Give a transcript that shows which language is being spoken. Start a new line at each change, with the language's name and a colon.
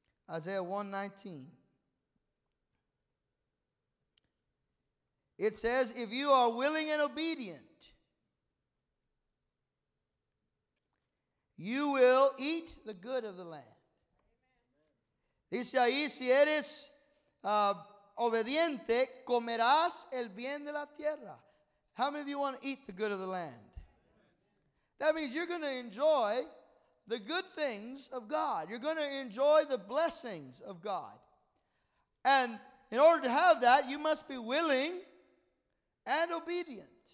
English: Isaiah 1, 19. It says, if you are willing and obedient, you will eat the good of the land.
Spanish: Dice ahí, si eres obediente, comerás el bien de la tierra.
English: How many of you want to eat the good of the land? That means you're going to enjoy the good things of God. You're going to enjoy the blessings of God. And in order to have that, you must be willing and obedient.